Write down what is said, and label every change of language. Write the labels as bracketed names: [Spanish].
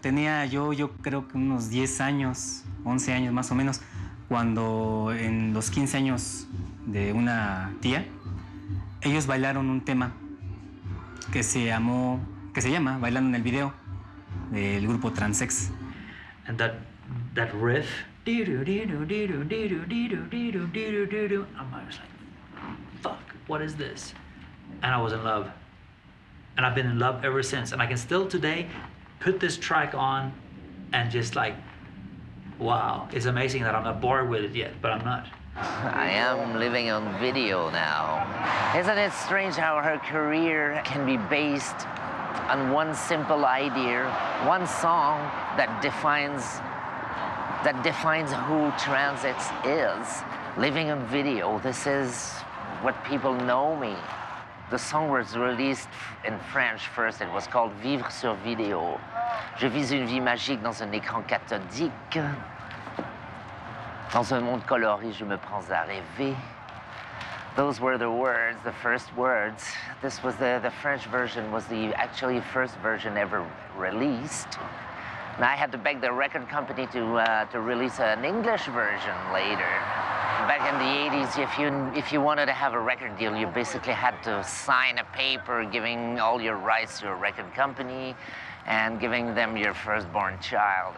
[Spanish] Tenía yo creo que unos 10 años, 11 años más o menos, cuando en los 15 años de una tía, ellos bailaron un tema que se llama Bailando en el Video del grupo Transsex. [English] And that riff. And I was like, fuck, what is this? And I was in love. And I've been in love ever since. And I can still today put this track on and just like, wow, it's amazing that I'm not bored with it yet, but I'm not. I am living on video now. Isn't it strange how her career can be based on one simple idea, one song that defines who Transsex is? Living on video, this is what people know me. The song was released in French first. It was called Vivre sur Vidéo. [French] Je vis une vie magique dans un écran cathodique. Dans un monde coloré, je me prends à rêver. [English] Those were the words, the first words. This was the French version was the actually first version ever released. And I had to beg the record company to release an English version later. Back in the 80s, if you wanted to have a record deal, you basically had to sign a paper giving all your rights to a record company and giving them your firstborn child.